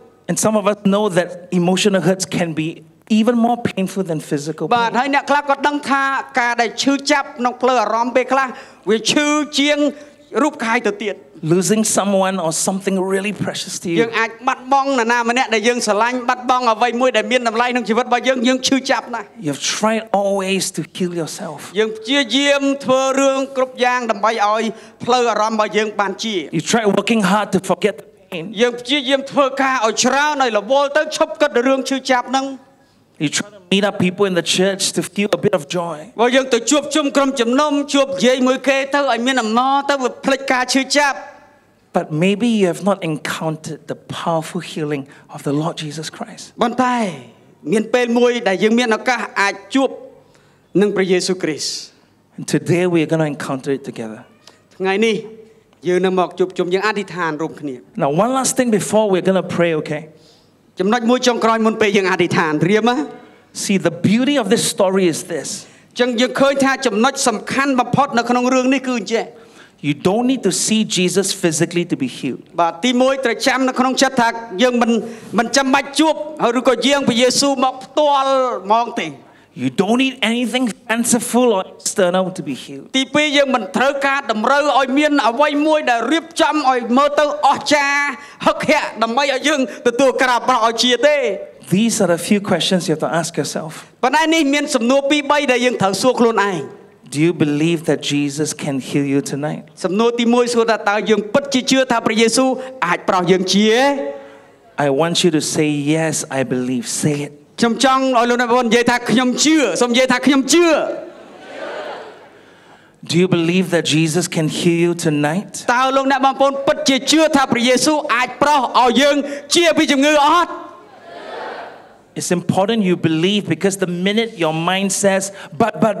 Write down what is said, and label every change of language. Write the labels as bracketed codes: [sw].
[en] And some of us know that emotional hurts can be even more painful than physical pain [km] បាទហើយអ្នកខ្លះក៏ដឹងថាការដែលឈឺចាប់ក្នុងផ្លូវអារម្មណ៍ពេលខ្លះវាឈឺជាងរូបកាយទៅទៀត [en] losing someone or something really precious to you [km] យើងអាចបាត់បង់នរណាម្នាក់ដែលយើងស្រឡាញ់បាត់បង់អ្វីមួយដែលមានតម្លៃក្នុងជីវិតរបស់យើងយើងឈឺចាប់ណាស់ [en] you've tried always to kill yourself [km] យើងព្យាយាមធ្វើរឿងគ្រប់យ៉ាងដើម្បីឲ្យផ្លូវអារម្មណ៍របស់យើងបានជា [en] you try working hard to forget the pain [km] យើងព្យាយាមធ្វើការឲ្យច្រើនឲ្យរវល់ទៅឈប់គិតរឿងឈឺចាប់ហ្នឹង [en] you try to meet up people in the church to feel a bit of joy [km] ហើយយើងទៅជួបជុំក្រុមជំនុំជួបនិយាយមួយគេទៅឲ្យមានអំណរទៅវាផ្លេចការឈឺចាប់ [en] But maybe you have not encountered the powerful healing of the Lord Jesus Christ. [km] ប៉ុន្តែមានពេលមួយដែលយើងមានឱកាសអាចជួបនឹងព្រះយេស៊ូវគ្រីស្ទ [en] And today we are going to encounter it together. [km] ថ្ងៃនេះយើងនឹងមកជួបជុំយើងអធិដ្ឋានរួមគ្នា [en] Now one last thing before we're going to pray, okay? [km] ចំណុចមួយចុងក្រោយមុនពេលយើងអធិដ្ឋានរៀមណា [en] See the beauty of this story is this. [km] ចឹងយើងឃើញថាចំណុចសំខាន់បំផុតនៅក្នុងរឿងនេះគឺអញ្ចឹង [en] You don't need to see Jesus physically to be healed. [km] បាទទីមួយត្រូវចាំនៅក្នុងចិត្តថាយើងមិនចាំបាច់ជួបឬក៏យាងព្រះយេស៊ូវមកផ្ទាល់ហ្មងទេ [en] You don't need anything fanciful or external to be healed. [km] ទីពីរយើងមិនត្រូវការតម្រូវឲ្យមានអ្វីមួយដែលរៀបចំឲ្យមើលទៅអស្ចារ្យហឹកហាក់ដើម្បីឲ្យយើងទទួលការប្រោសឲ្យជាទេ [en] These are a few questions you have to ask yourself. [km] ប៉ុន្តែនេះមានសំណួរ2-3ដែលយើងត្រូវសួរខ្លួនឯង [en] Do you believe that Jesus can heal you tonight? [km] សំណួរទី1សួរថាតើយើងពិតជាជឿថាព្រះយេស៊ូវអាចប្រោសយើងជា [en] I want you to say yes, I believe. Say it. [km] ខ្ញុំចង់ឲ្យលោកអ្នកបងនិយាយថាខ្ញុំជឿ សូមនិយាយថាខ្ញុំជឿ [en] Do you believe that Jesus can heal you tonight? [km] តើលោកអ្នកបងប្អូនពិតជាជឿថាព្រះយេស៊ូវអាចប្រោសឲ្យយើងជាពីជំងឺអត់ [en] It's important you believe because the minute your mind says but